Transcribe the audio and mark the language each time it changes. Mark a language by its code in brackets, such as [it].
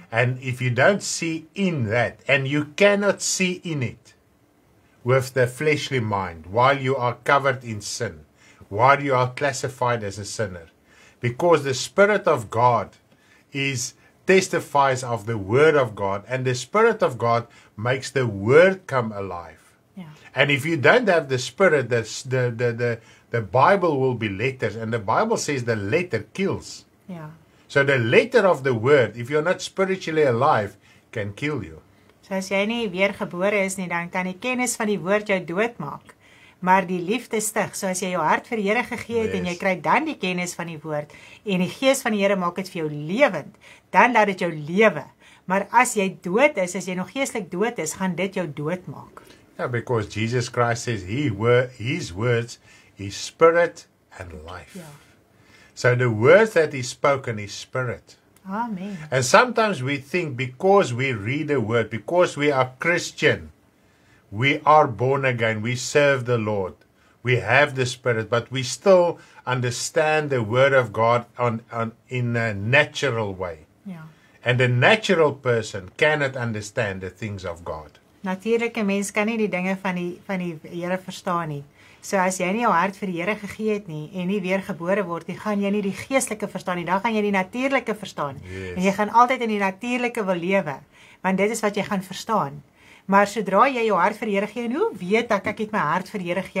[en] And if you don't see in that, and you cannot see in it with the fleshly mind, while you are covered in sin, while you are classified as a sinner, because the Spirit of God is testifies of the Word of God, and the Spirit of God makes the Word come alive. Yeah. And if you don't have the Spirit, the Bible will be letters, and the Bible says the letter kills. Yeah. So the letter of the Word, if you're not spiritually alive, can kill you. [af] So as jy nie weer gebore is nie, dan kan die kennis van die Woord jou dood maak. Maar die liefde stig, so as jy jou hart vir die Here gegee het [en] yes. [af] en jy kry dan die kennis van die woord en die gees van die Here maak dit vir jou lewend, dan laat dit jou lewe. Maar as jy dood is, as jy nog geestelik dood is, gaan dit jou dood maak. [en] Yeah, because Jesus Christ says his words is spirit and life. Yeah. So the words that he spoken is spirit. Amen. And sometimes we think because we read the word, because we are Christian, We are born again. We serve the Lord. We have the Spirit, but we still understand the Word of God in a natural way. Yeah. And a natural person cannot understand the things of God. [af] Natuurlik, 'n mens kan nie die dinge van die Here verstaan nie. So as jy nie jou hart vir die Here gegee het nie en nie weer gebore word nie, gaan jy nie die geestelike verstaan nie, dan gaan jy die natuurlike verstaan. [en] Yes. [af] En jy gaan altyd in die natuurlike wil lewe, want dit is wat jy gaan verstaan. Maar sodra jy jou hart vir die Here gee, en hoe weet ek ek het my hart vir die Here gee?